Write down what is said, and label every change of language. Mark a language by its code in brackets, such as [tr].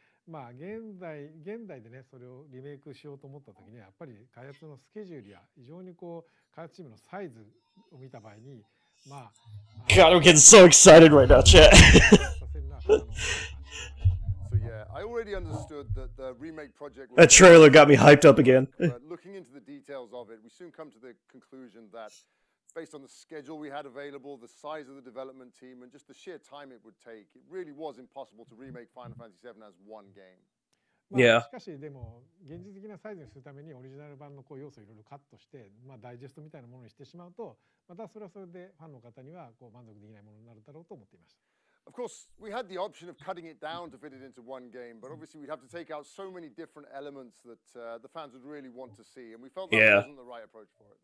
[ja] まあ、現代でねそれをリメイクしようと思った時にはやっぱり開発のスケジュールや非常にこう開発チームのサイズを見た場合にまあ [en] God, I'm getting so excited right now, chat. So yeah, I already already understood that the remake project was... That trailer got me hyped up again. Looking into the details of it, we soon come to the conclusion that based on the schedule we had available, the size of the development team, and just the sheer time it would take, it really was impossible to remake Final Fantasy VII as one game. [ja] まあ、しかしでも現実的なサイズにするためにオリジナル版のこう要素をいろいろカットして、まあダイジェストみたいなものにしてしまうと、またそれはそれでファンの方には満足できないものになるだろうと思っていました。 [en] Of course, we had the option of cutting it down to fit it into one game, but obviously we'd have to take out so many different elements that the fans would really want to see, and we felt that wasn't the right approach for it.